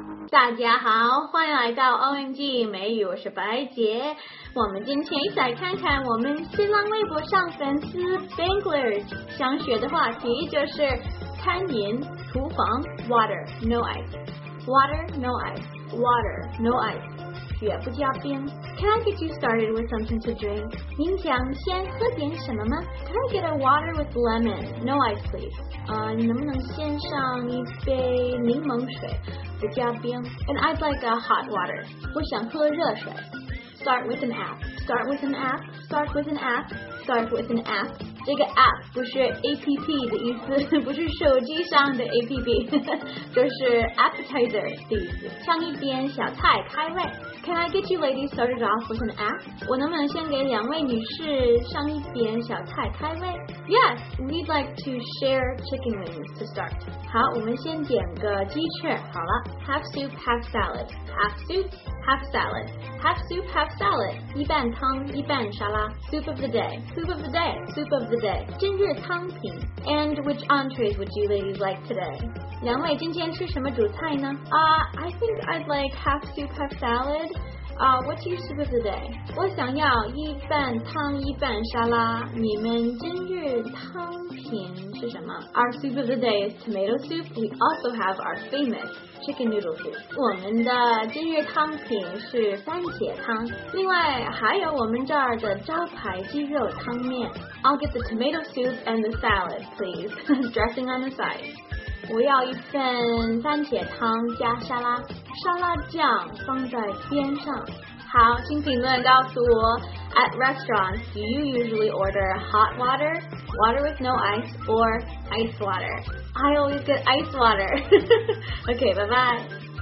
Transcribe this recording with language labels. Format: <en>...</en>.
<zh>大家好，欢迎来到 ONG 美语，我是白杰。我们今天一起来看看我们新浪微博上粉丝 Banglers 想学的话题，就是餐饮厨房</zh> <en>Water No Ice Water No Ice</en> <zh>Water No Ice 绝不加冰。</zh> <en>Can I get you started with something to drink?</en> <zh>您想先喝点什么吗？</zh> <en>Can I get a water with lemon? No ice please.</en> <zh>你能不能先上一杯柠檬水？不加冰。</zh> <en>And I'd like a hot water.</en> <zh>我想喝热水。</zh> <en>Start with an app. Start with an app. Start with an app. Start with an app.</en> <zh>这个 app 不是 APP 的意思，不是手机上的 APP， 就是 appetizer 的意思。上一点小菜开胃。</zh> <en>Can I get you ladies started off with an app?</en> <zh>我能不能先给两位女士上一点小菜开胃？</zh> <en>Yes, we'd like to share chicken wings to start.</en> <zh>好，我们先点个鸡翅。好了，</zh> <en>half soup, half salad. Half soup, half salad. Half soup, half salad.</en> <zh>一半汤，一半沙拉。</zh> <en>Soup of the day, soup of the day, soup of the day.</en> <zh>今日汤品。</zh> <en>And which entrees would you ladies like today?</en> <zh>两位今天吃什么主菜呢？</zh> <en>I think I'd like half soup, half salad. What's your soup of the day?</en> <zh>我想要一半汤一半沙拉。你们今日汤品是什么？</zh> <en>Our soup of the day is tomato soup. We also have our famous chicken noodle soup.</en> <zh>我们的今日汤品是番茄汤。另外还有我们这儿的招牌鸡肉汤面。</zh> <en>I'll get the tomato soup and the salad, please. Dressing on the side.</en> <zh>我要一份番茄汤加沙拉，沙拉酱放在边上。好，请评论告诉我 ，</zh> <en>At restaurants, do you usually order hot water, water with no ice, or ice water? I always get ice water. Okay, bye bye.</en>